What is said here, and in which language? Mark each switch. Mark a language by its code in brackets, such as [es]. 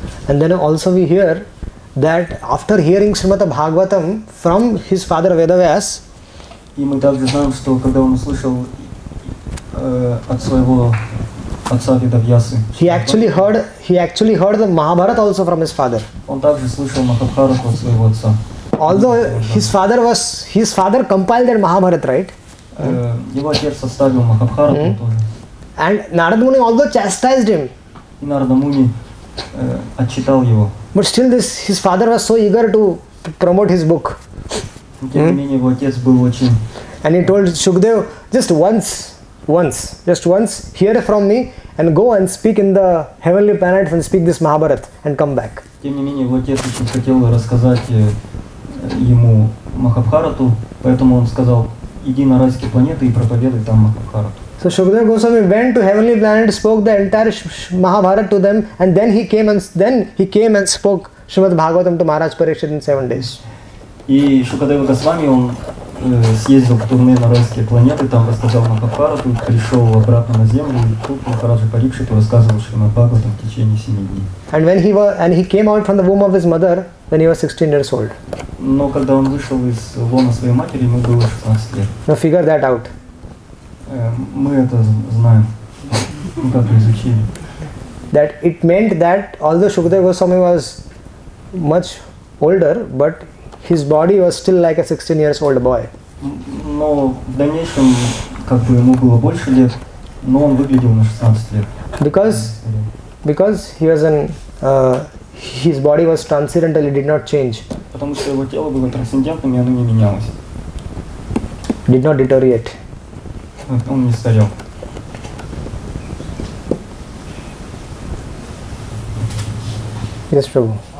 [en] And then also we hear that after hearing Srimad Bhagavatam from his father Vedavyas, [ru] И мы также знаем, что когда он услышал от своего отца Видавьясы, [en] he actually heard the Mahabharata also from his father. [ru] Он также слышал Махабхарату от своего отца. [en] Although his father compiled that Mahabharata, right? [ru] Его отец составил Махабхарату тоже. [en] And Narada Muni although chastised him. [ru] И Нарада Муни отчитал его. [en] But still his father was so eager to promote his book. [ru] Тем не менее, его отец был очень... [en] And he told Shukdev, just once, hear from me and go and speak in the heavenly planet and speak this Mahabharata and come back. [ru] Тем не менее, его отец очень хотел рассказать ему Махабхарату, поэтому он сказал, иди на райские планеты и проповедуй там Махабхарату. [en] So Shukdev Goswami went to heavenly planet, spoke the entire Mahabharata to them, and then he came and spoke Srimad Bhagavatam to Maharaj Parikshit in 7 days. [ru] И Шукадева Госвами, он съездил в турне на райские планеты, там рассказал Махабхарату, пришел обратно на землю, и тут Махараджа Парикшит рассказывал Шримад Бхагаватам в течение 7 дней. [en] And when he came out from the womb of his mother, when he was 16 years old. [ru] Но когда он вышел из лона своей матери, ему было 16 лет. [en] Now figure that out. [ru] Мы это знаем, мы как изучили. [en] That it meant that although Шукадева Госвами was much older, but his body was still like a 16 years old boy. [ru] Но в дальнейшем, как бы ему было больше лет, но он выглядел на 16 лет. [en] Because he was his body was transcendental, it did not change. [ru] Потому что его тело было трансцендентным, и оно не менялось. [en] Did not deteriorate. [ru] Он не старел. [en] Yes, Prabhu.